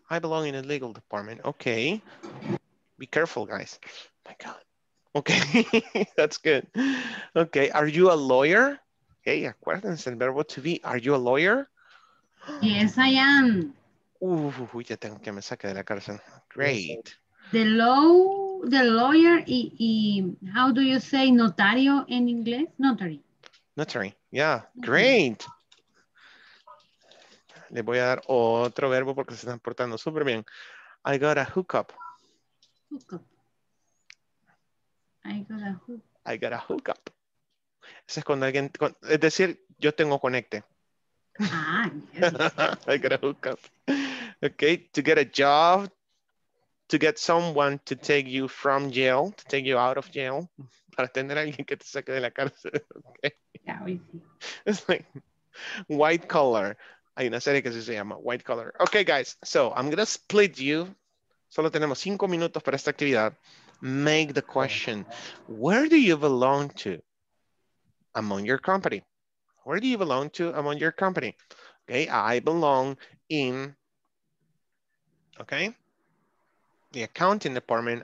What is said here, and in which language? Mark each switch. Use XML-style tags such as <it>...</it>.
<en>I belong in the legal department. Okay. Be careful, guys. My God. Okay, that's good. Okay, are you a lawyer? Hey,</en> <es>acuérdense, el verbo</es> <en>to be. Are you a lawyer? Yes, I am.</en> <es>Ya tengo que me saque de la cárcel.</es> <en>Great. The lawyer, y how do you say notario in English? Notary. Notary, yeah, great.</en> <es>Le voy a dar otro verbo porque se están portando súper bien.</es> <en>I got a hookup. Hookup. I got a hookup.</en> <es>Ese es cuando alguien, es decir, yo tengo conecte. Ah,</es> <en>I got a hookup. Okay, to get a job, to get someone to take you from jail, to take you out of jail,</en> <es>para tener a alguien que te saque de la cárcel.</es> <en>Okay. Yeah, we see. It's like white collar.</en> <es>Hay una serie que se llama white collar.</es> <en>Okay, guys, so I'm going to split you.</en> <es>Solo tenemos 5 minutos para esta actividad.</es> <en>Make the question, where do you belong to among your company? Where do you belong to among your company? Okay, I belong in, okay, the accounting department.</en>